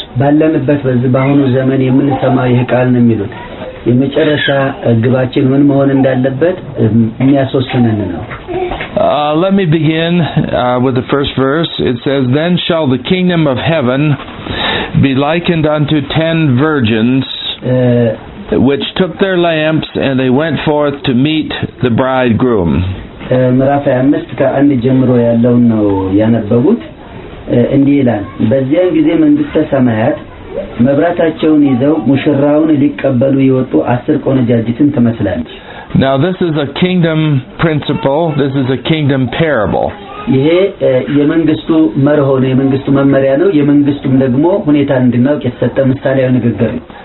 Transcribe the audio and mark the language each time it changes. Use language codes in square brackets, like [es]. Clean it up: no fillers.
[en] Let me begin with the first verse. It says, "Then shall the kingdom of heaven be likened unto 10 virgins which took their lamps, and they went forth to meet the bridegroom." [am] ምራፋ 5 ከአንድ ጀምሮ ያለው ነው ያነበቡት እንዲላ በዚያን ጊዜ መንግስተ ሰማያት መብራታቸውን ይዘው ሙሽራውን ሊቀበሉ ይወጡ 10 ቆነጃጅትን ተመስላለች. [en] Now this is a kingdom principle, this is a kingdom parable. [am] ይሄ የመንግስቱ መርሆ ነው የመንግስቱ መመሪያ ነው የመንግስቱም ደግሞ ሁኔታ እንድናውቅ የተሰጠ ምሳሌያዊ ንግግር ነው.